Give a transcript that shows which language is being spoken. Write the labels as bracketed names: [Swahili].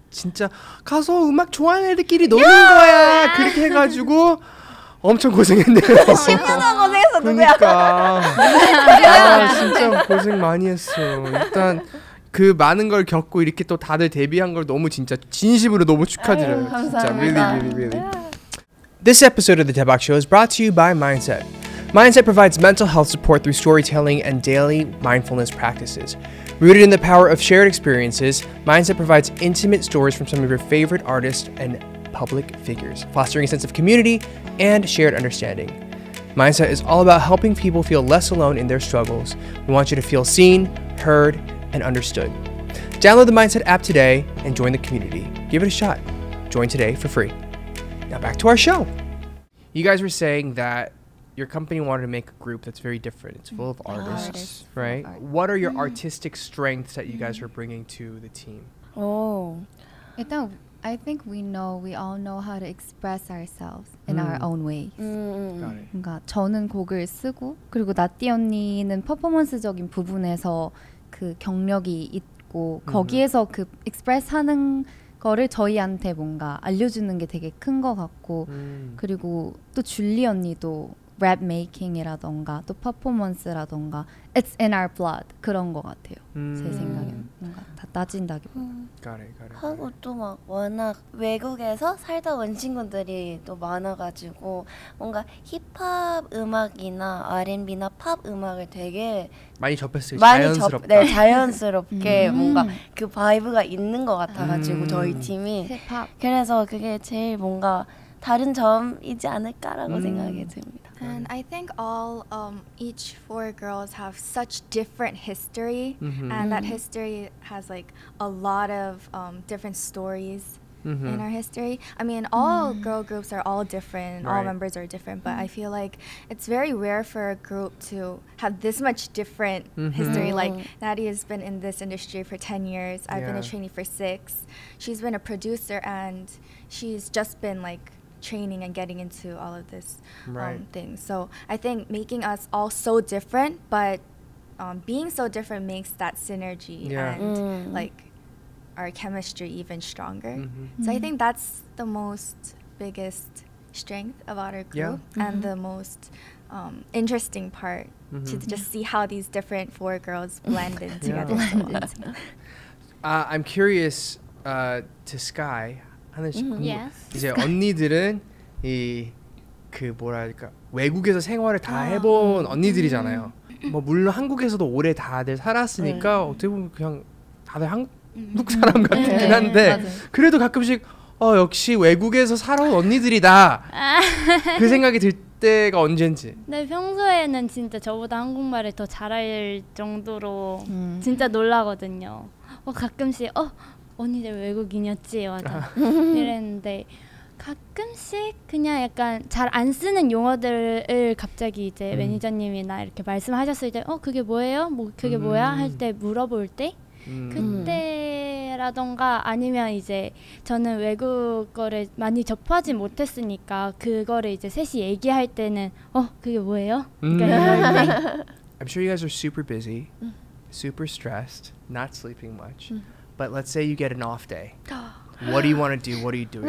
[Korean] 진짜 가서 음악 좋아하는 애들끼리 노는 야! 거야 그렇게 해가지고 엄청 고생했네요 10년 동안 고생했어 그러니까. 누구야 아, 진짜 고생 많이 했어 일단 그 많은 걸 겪고 이렇게 또 다들 데뷔한 걸 너무 진짜 진심으로 너무 축하드려요 아유, 감사합니다 진짜. [English] Really, really, really. This episode of the Daebak Show is brought to you by Mindset Mindset provides mental health support through storytelling and daily mindfulness practices. Rooted in the power of shared experiences, Mindset provides intimate stories from some of your favorite artists and public figures, fostering a sense of community and shared understanding. Mindset is all about helping people feel less alone in their struggles. We want you to feel seen, heard, and understood. Download the Mindset app today and join the community. Give it a shot. Join today for free. Now back to our show. You guys were saying that your company wanted to make a group that's very different. It's full of artists, right? What are your artistic strengths that you guys are bringing to the team? Oh, I think we know, we all know how to express ourselves in our own ways. Got it. [Korean] 저는 곡을 쓰고, 그리고 나띠 언니는 퍼포먼스적인 부분에서 그 경력이 있고, 거기에서 그 express하는 거를 저희한테 뭔가 알려주는 게 되게 큰 것 같고, 그리고 또 줄리 언니도 랩 메이킹이라던가 또 퍼포먼스라던가 [English] It's in our blood [Korean] 그런 거 같아요 제 생각에는 뭔가 다 따진다기보다 [English] got it. [Korean] 하고 또 막 워낙 외국에서 살다 온 친구들이 또 많아가지고 뭔가 힙합 음악이나 R&B나 팝 음악을 되게 많이 접했어요 자연스럽게 네 자연스럽게 뭔가 그 바이브가 있는 거 같아가지고 저희 팀이 힙합 그래서 그게 제일 뭔가 다른 점이지 않을까라고 생각이 듭니다 [English] And I think all, each four girls have such different history and that history has like a lot of different stories in our history. I mean, all girl groups are all different, right. all members are different, but I feel like it's very rare for a group to have this much different history. Like, Natty has been in this industry for 10 years, I've been a trainee for 6. She's been a producer and she's just been like, training and getting into all of this thing. So I think making us all so different, but being so different makes that synergy and like our chemistry even stronger. So I think that's the most biggest strength about our group and the most interesting part to just see how these different four girls blend in together. I'm curious to Sky. [Korean] 이제 언니들은 이 그 뭐랄까 외국에서 생활을 다 해본 언니들이잖아요. 뭐 물론 한국에서도 오래 다들 살았으니까 어떻게 보면 그냥 다들 한국 사람 같긴 한데 그래도 가끔씩 역시 외국에서 살아온 언니들이다 그 생각이 들 때가 언젠지. 네 평소에는 진짜 저보다 한국말을 더 잘할 정도로 진짜 놀라거든요. 가끔씩 언니들 외국인이었지? 맞아. 이랬는데 가끔씩 그냥 약간 잘 안 쓰는 용어들을 갑자기 이제 매니저님이나 이렇게 말씀하셨을 때 그게 뭐예요? 뭐 그게 뭐야? 할 때 물어볼 때 그때라던가 아니면 이제 저는 외국 거를 많이 접하지 못했으니까 그거를 이제 셋이 얘기할 때는 그게 뭐예요? 이렇게 [English] I'm sure you guys are super busy, super stressed, not sleeping much. But let's say you get an off day. What do you want to do? What are you doing?